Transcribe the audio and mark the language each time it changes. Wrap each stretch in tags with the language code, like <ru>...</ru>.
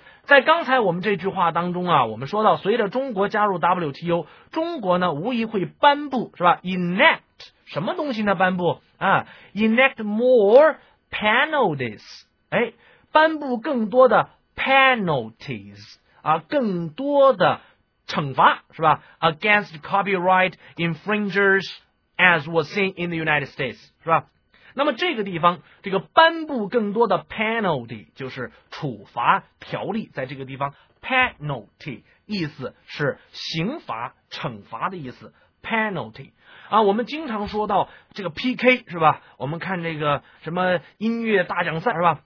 <zh>在刚才我们这句话当中啊，我们说到，随着中国加入 WTO， 中国呢无疑会颁布，是吧 ？Enact 什么东西呢？颁布啊 ，</zh> <en>enact more penalties，</en> <zh>哎，颁布更多的 penalties 啊，更多的。惩罚是吧</zh> <en>？Against copyright infringers, as was seen in the United States,</en> <zh>是吧？那么这个地方，这个颁布更多的 penalty 就是处罚条例，在这个地方 penalty 意思是刑罚、惩罚的意思 penalty 啊。我们经常说到这个 PK 是吧？我们看这个什么音乐大奖赛是吧？</zh>